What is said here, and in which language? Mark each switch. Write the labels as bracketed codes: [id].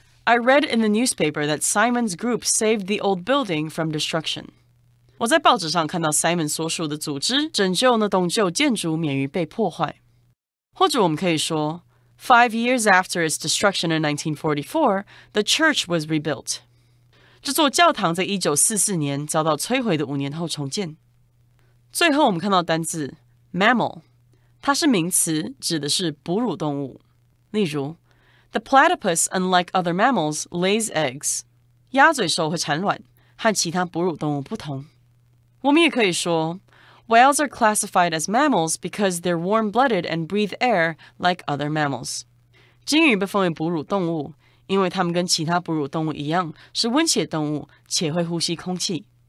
[en] I read in the newspaper that Simon's group saved the old building from destruction. [zh] 我在报纸上看到 Simon 所属的组织拯救那栋旧建筑免于被破坏。或者我们可以说 [en] ,5 years after its destruction in 1944, the church was rebuilt. [zh] 这座教堂在1944年遭到摧毁的五年后重建。最后我们看到单字 ,mammal, 它是名词指的是哺乳动物。例如 [en] The platypus, unlike other mammals, lays eggs. [zh] 鸭嘴兽会产卵，和其他哺乳动物不同。我们也可以说 [en] ，Whales are classified as mammals because they're warm-blooded and breathe air like other mammals. [zh] 鲸鱼被奉为哺乳动物，因为它们跟其他哺乳动物一样是温血动物，且会呼吸空气。